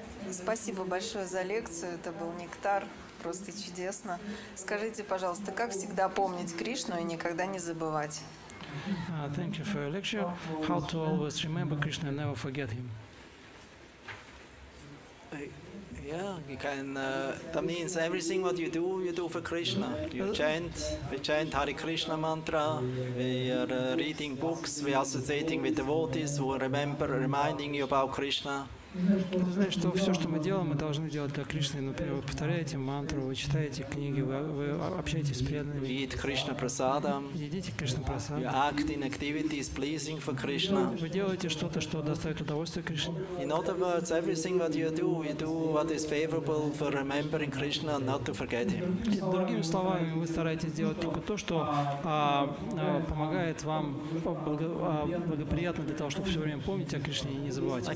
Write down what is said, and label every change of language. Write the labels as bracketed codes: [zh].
[ru] Спасибо большое за лекцию. Это был нектар. Просто чудесно. Скажите, пожалуйста, как всегда помнить Кришну и никогда не забывать? [en] Thank you for your lecture. How to always remember Krishna and never forget him? Yeah, you can. That means everything what you do for Krishna. You chant, we chant Hare Krishna mantra. We are reading books. We associating with devotees who remember, reminding you about Krishna. [ru] Вы знаете, что все, что мы делаем, мы должны делать для Кришны. Например, вы повторяете мантру, вы читаете книги, вы общаетесь с преданными. [en] Eat Krishna prasadam. [ru] Едите Кришна прасадам. [en] You act in activities pleasing for Krishna. [ru] Вы делаете что-то, что доставит удовольствие Кришне. [en] In other words, everything what you do what is favorable for remembering Krishna, not to forget him. [ru] Другими словами, вы стараетесь делать только то, что помогает вам благоприятно для того, чтобы все время помнить о Кришне и не забывать.